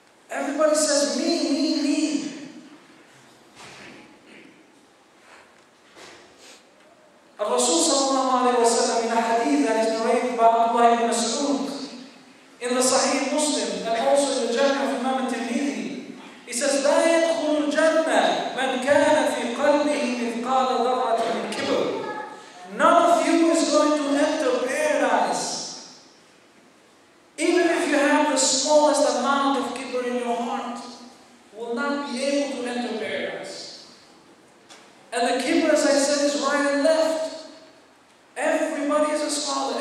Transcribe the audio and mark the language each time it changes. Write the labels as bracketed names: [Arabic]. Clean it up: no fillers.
[English] Everybody says, me, me, me. Rasul sallallahu alayhi wa sallam in a hadith that is narrated by Abdullah ibn Mas'ud in the Sahih Muslim and also in the Jannah of Imam al-Tirmidhi. He says, [Arabic] لا يدخل الجنة من كان في قلبه مثقال ذرة من كبر. [English] None of you is going to enter paradise. Even if you have the smallest amount of kibr in your heart, will not be able to enter paradise. And the kibr, as I said, is right and left. Everybody is a scholar.